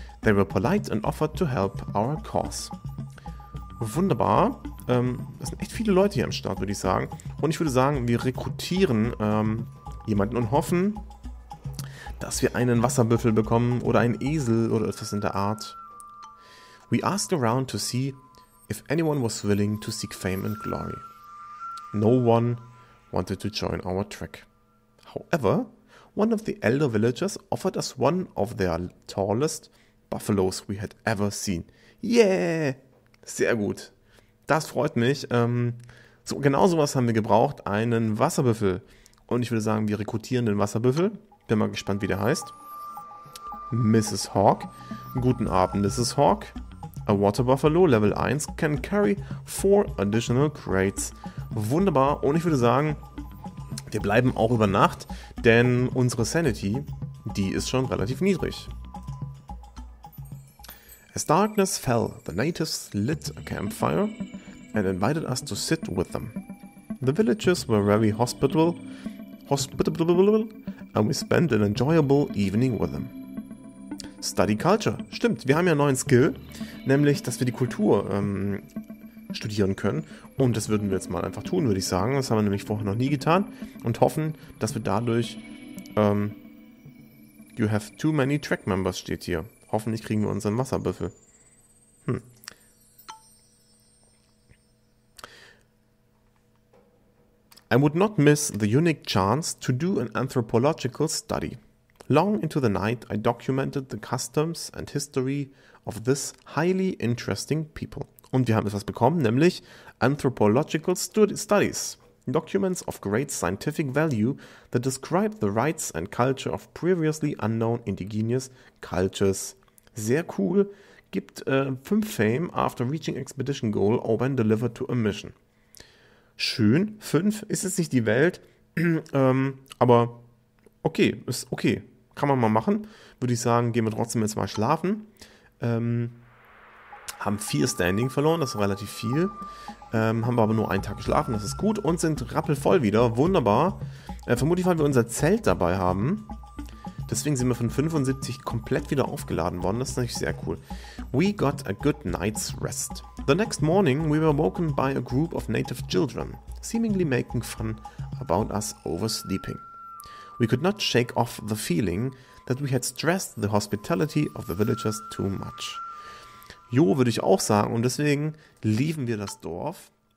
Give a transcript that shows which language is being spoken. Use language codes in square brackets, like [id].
[en] They were polite and offered to help our cause. [de] Wunderbar. Das sind echt viele Leute hier am Start, würde ich sagen. Und ich würde sagen, wir rekrutieren jemanden und hoffen, dass wir einen Wasserbüffel bekommen oder einen Esel oder etwas in der Art. [en] We asked around to see if anyone was willing to seek fame and glory. No one wanted to join our trek. However, one of the elder villagers offered us one of their tallest buffaloes we had ever seen. [de] Yeah! Sehr gut. Das freut mich. So, genau sowas haben wir gebraucht. Einen Wasserbüffel. Und ich würde sagen, wir rekrutieren den Wasserbüffel. Bin mal gespannt, wie der heißt. Mrs. Hawk. Guten Abend, Mrs. Hawk. [en] A water buffalo, level 1, can carry 4 additional crates. [de] Wunderbar. Und ich würde sagen, wir bleiben auch über Nacht, denn unsere Sanity, die ist schon relativ niedrig. [en] As darkness fell, the natives lit a campfire and invited us to sit with them. The villagers were very hospitable, and we spent an enjoyable evening with them. Study culture. [de] Stimmt, wir haben ja einen neuen Skill, nämlich, dass wir die Kultur studieren können. Und das würden wir jetzt mal einfach tun, würde ich sagen. Das haben wir nämlich vorher noch nie getan und hoffen, dass wir dadurch... [en] you have too many track members, [de] steht hier. Hoffentlich kriegen wir unseren Wasserbüffel. [en] I would not miss the unique chance to do an anthropological study. Long into the night, I documented the customs and history of this highly interesting people. [de] Und wir haben etwas bekommen, nämlich Anthropological Studies. [en] Documents of great scientific value that describe the rites and culture of previously unknown indigenous cultures. [de] Sehr cool. Gibt 5 Fame [en] after reaching expedition goal or when delivered to a mission. [de] Schön. 5. Ist es nicht die Welt? aber okay. Ist okay. Kann man mal machen. Würde ich sagen, gehen wir trotzdem jetzt mal schlafen. Haben 4 Standing verloren. Das ist relativ viel. Haben wir aber nur einen Tag geschlafen. Das ist gut. Und sind rappelvoll wieder. Wunderbar. Vermutlich, weil wir unser Zelt dabei haben. Deswegen sind wir von 75 komplett wieder aufgeladen worden. Das ist natürlich sehr cool. [en] We got a good night's rest. The next morning we were woken by a group of native children, seemingly making fun about us oversleeping. We could not shake off the feeling that we had stressed the hospitality of the villagers too much. [de] Jo, würde ich auch sagen. Und deswegen lieben wir das Dorf.